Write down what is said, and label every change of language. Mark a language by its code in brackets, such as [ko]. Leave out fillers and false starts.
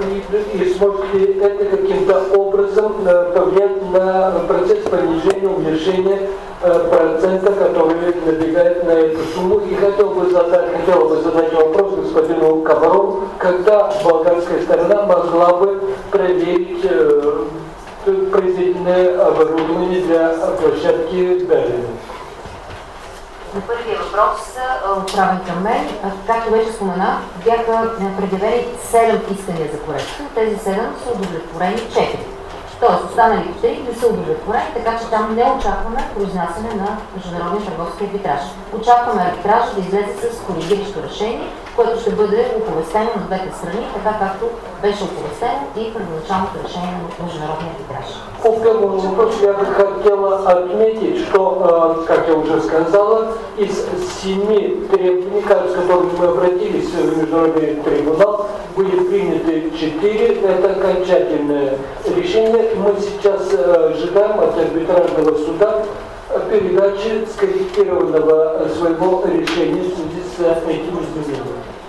[ru] И сможете это каким-то образом повлиять на процесс понижения, уменьшения процента, который набегает на эту сумму. И хотел бы задать вопрос господину Комарову, когда болгарская сторона могла бы проверить произведенное оборудование для площадки Берлина. [bg] На първия въпрос отправен към мен, както беше споменах, бяха предявени 7 искания за корекция. Тези 7 са удовлетворени 4. Тоест, останалите 3 не са удовлетворени, така че там не очакваме произнасяне на международния търговски арбитраж. Очакваме арбитраж да излезе с колегическо решение, което ще бъде оповестено на двете страни, така както беше оповестено и първоначалното решение на международния арбитраж. По първото въпрос [ru] я бих хотела отметить, что, как я уже сказала, из 7 требований, с которыми мы обратились в международный трибунал, были приняты 4. Это окончательное решение. Мы сейчас ожидаем от арбитражного суда передачи скорректированного своего решения в связи с этим изменением.